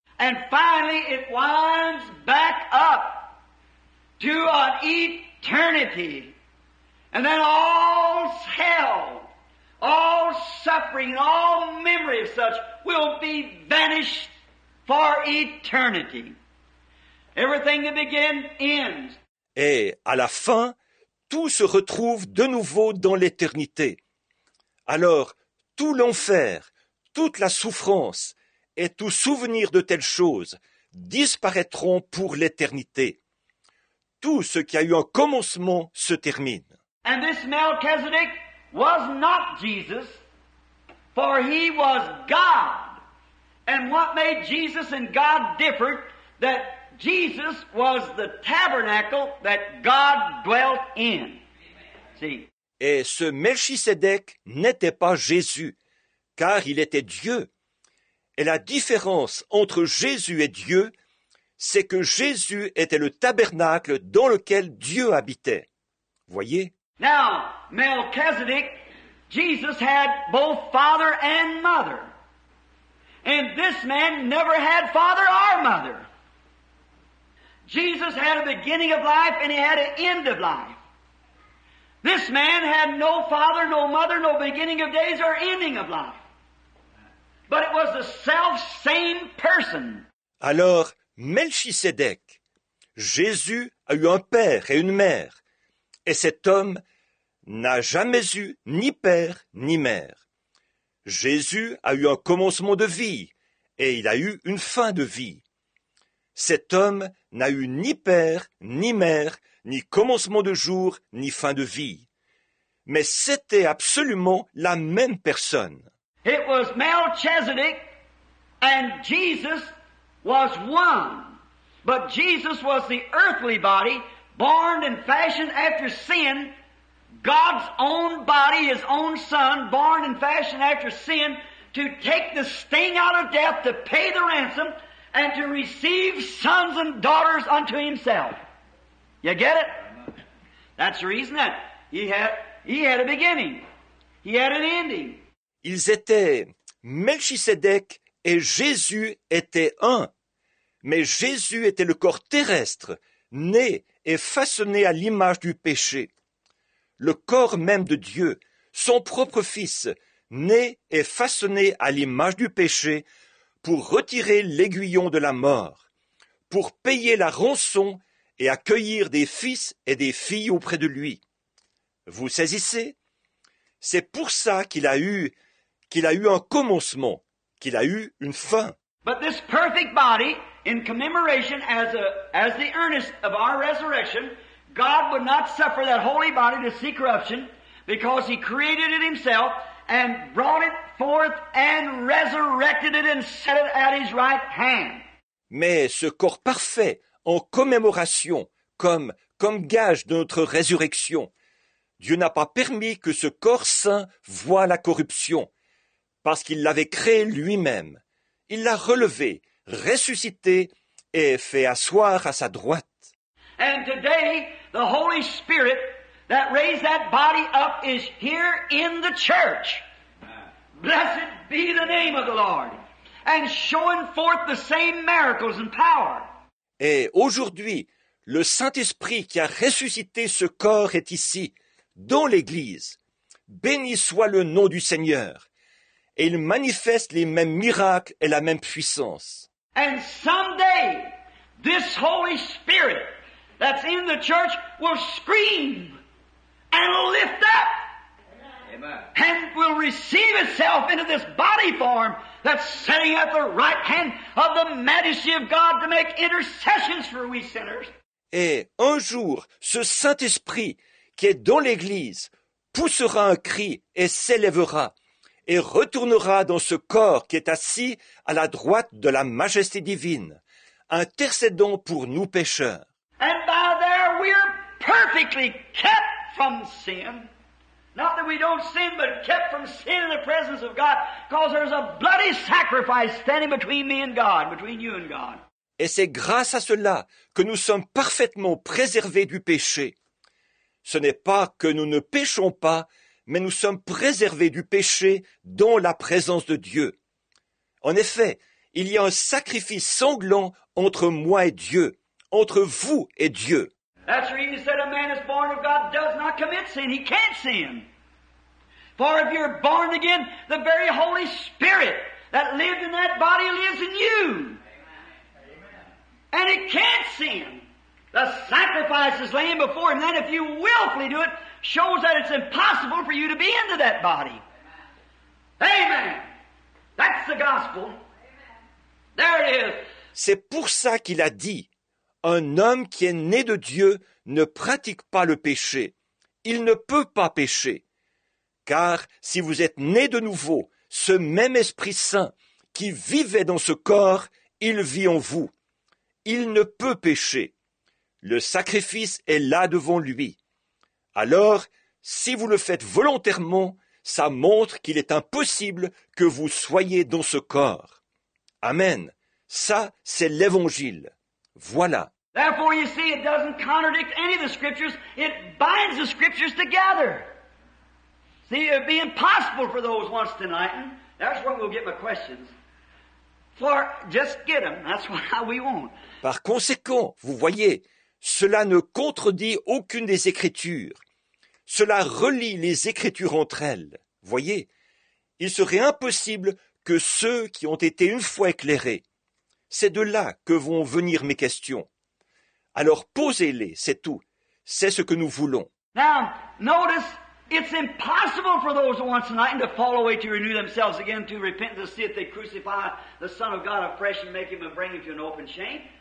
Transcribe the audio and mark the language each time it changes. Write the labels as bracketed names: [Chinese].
[English] And finally it winds back up to an eternity. And then all hell, all suffering, all memory of such will be vanished for eternity. Everything that began ends. [French] Et à la fin, tout se retrouve de nouveau dans l'éternité. Alors, tout l'enfer, toute la souffrance et tout souvenir de telles choses disparaîtront pour l'éternité. Tout ce qui a eu un commencement se termine. [English] And this Melchizedek was not Jesus, for he was God. And what made Jesus and God different? That Jesus was the tabernacle that God dwelt in. See? [French] Et ce Melchizedek n'était pas Jésus, car il était Dieu. Et la différence entre Jésus et Dieu, c'est que Jésus était le tabernacle dans lequel Dieu habitait. Voyez? [English] Now, Melchizedek, Jesus had both father and mother. And this man never had father or mother. Jesus had a beginning of life and he had an end of life. This man had no father, no mother, no beginning of days or ending of life. But it was the self-same person. [French] Alors, Melchizedek, Jésus a eu un père et une mère. Et cet homme n'a jamais eu ni père ni mère. Jésus a eu un commencement de vie et il a eu une fin de vie. Cet homme n'a eu ni père ni mère, ni commencement de jour ni fin de vie. Mais c'était absolument la même personne. [English] It was Melchizedek and Jesus was one. But Jesus was the earthly body born and fashioned after sin. God's own body, his own son, born and fashioned after sin, to take the sting out of death, to pay the ransom, and to receive sons and daughters unto himself. You get it? That's the reason that he had a beginning. He had an ending. [French] Ils étaient Melchizedek et Jésus était un. Mais Jésus était le corps terrestre, né et façonné à l'image du péché. Le corps même de Dieu, son propre fils, né et façonné à l'image du péché pour retirer l'aiguillon de la mort, pour payer la rançon et accueillir des fils et des filles auprès de lui. Vous saisissez? C'est pour ça qu'il a eu un commencement, qu'il a eu une fin. [English] But this perfect body, in commemoration as the earnest of our resurrection, God would not suffer that holy body to see corruption, because he created it himself and brought it forth and resurrected it and set it at his right hand. [French] Mais ce corps parfait, en commémoration, comme gage de notre résurrection, Dieu n'a pas permis que ce corps saint voie la corruption, parce qu'il l'avait créé lui-même. Il l'a relevé, ressuscité et fait asseoir à sa droite. [English] And today, the Holy Spirit that raised that body up is here in the church. Blessed be the name of the Lord. And showing forth the same miracles and power. [French] Et aujourd'hui, le Saint-Esprit qui a ressuscité ce corps est ici, dans l'Église. Béni soit le nom du Seigneur. Et il manifeste les mêmes miracles et la même puissance. [English] And someday, this Holy Spirit that's in the church will scream and lift up. Amen. And will receive itself into this body form that's sitting at the right hand of the majesty of God to make intercessions for we sinners. [French] Et un jour, ce Saint-Esprit qui est dans l'Église poussera un cri et s'élèvera et retournera dans ce corps qui est assis à la droite de la majesté divine, intercédant pour nous pécheurs. [English] And by there we are perfectly kept from sin. Not that we don't sin, but kept from sin in the presence of God, because there's a bloody sacrifice standing between me and God, between you and God. [French] Et c'est grâce à cela que nous sommes parfaitement préservés du péché. Ce n'est pas que nous ne péchons pas, mais nous sommes préservés du péché dans la présence de Dieu. En effet, il y a un sacrifice sanglant entre moi et Dieu, entre vous et Dieu. [English] That's the reason he said a man is born of God does not commit sin. He can't sin. For if you're born again, the very Holy Spirit that lived in that body lives in you. Amen. And it can't sin. The sacrifice is laying before him. Then if you willfully do it, shows that it's impossible for you to be into that body. Amen. That's the gospel. Amen. There it is. [French] C'est pour ça qu'il a dit. Un homme qui est né de Dieu ne pratique pas le péché. Il ne peut pas pécher. Car si vous êtes né de nouveau, ce même Esprit Saint qui vivait dans ce corps, il vit en vous. Il ne peut pécher. Le sacrifice est là devant lui. Alors, si vous le faites volontairement, ça montre qu'il est impossible que vous soyez dans ce corps. Amen. Ça, c'est l'Évangile. Voilà. [English] Therefore, you see, it doesn't contradict any of the scriptures. It binds the scriptures together. See, it would be impossible for those once to enlighten. That's where we'll get my questions. For just get them. That's why we won't. [French] Par conséquent, vous voyez, cela ne contredit aucune des écritures. Cela relie les écritures entre elles. Voyez, il serait impossible que ceux qui ont été une fois éclairés. C'est de là que vont venir mes questions. Alors posez-les, c'est tout. C'est ce que nous voulons. [English] Now, notice, it's impossible for those who once enlightened to fall away to renew themselves again to repent to see if they crucify the Son of God afresh and make him and bring him to an open shame.